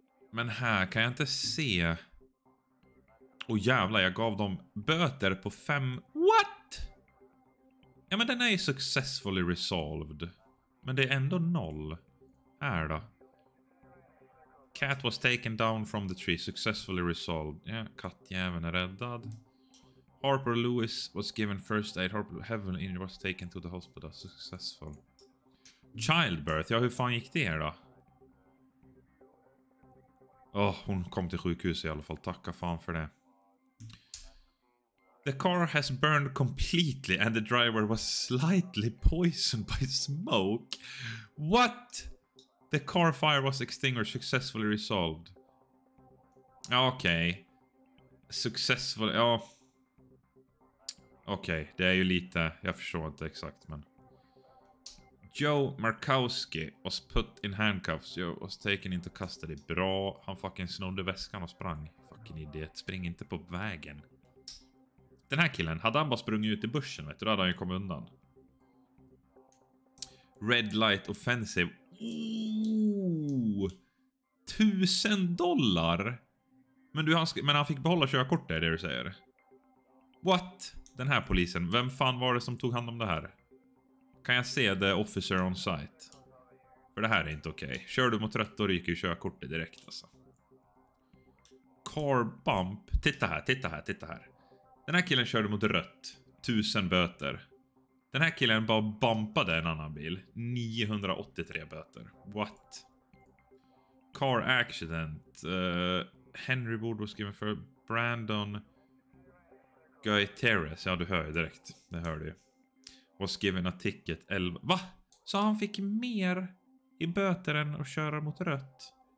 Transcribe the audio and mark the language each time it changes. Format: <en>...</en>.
<sv>Men här kan jag inte se. Åh jävla, jag gav dem böter på 5.</sv> <en>What?</en> <sv>Ja, men den är ju</sv> <en>successfully resolved.</en> <sv>Men det är ändå 0. Här då.</sv> <en>Cat was taken down from the tree. Successfully resolved.</en> <sv>Ja, yeah, kattjäveln är räddad.</sv> <en>Harper Lewis was given first aid. Harper heaven injured was taken to the hospital. Successful. Childbirth.</en> <sv>Ja, hur fan gick det då? Åh, hon kom till sjukhus i alla fall. Tacka fan för det.</sv> <en>The car has burned completely and the driver was slightly poisoned by smoke. What? The car fire was extinguished, successfully resolved.</en> <sv>Okej. Successfully, ja. Okej, det är ju lite, jag förstår inte exakt, men.</sv> <en>Joe Markowski was put in handcuffs. Joe was taken into custody.</en> <sv>Bra, han fucking snodde väskan och sprang. Fucking idiot, spring inte på vägen. Den här killen, hade han bara sprungit ut i bushen, vet du, då hade han ju kommit undan.</sv> <en>Red light offensive. Ooh, $1,000.</en> <sv>Men han fick behålla körkortet, det du säger.</sv> <en>What?</en> <sv>Den här polisen, vem fan var det som tog hand om det här? Kan jag se</sv> <en>the officer on site?</en> <sv>För det här är inte okej. Okay. Kör du mot rött och ryker körkortet direkt alltså.</sv> <en>Car bump.</en> <sv>Titta här. Den här killen körde mot rött. 1,000 böter. Den här killen bara bumpade en annan bil.</sv> <en>983 böter. What? Car accident. Henry Ward was given for Brandon Gutierrez.</en> <sv>Ja, du hör ju direkt. Det hör du ju.</sv> <en>Was given a ticket 11.</en> <sv>Va? Så han fick mer i böter än att köra mot rött?</sv>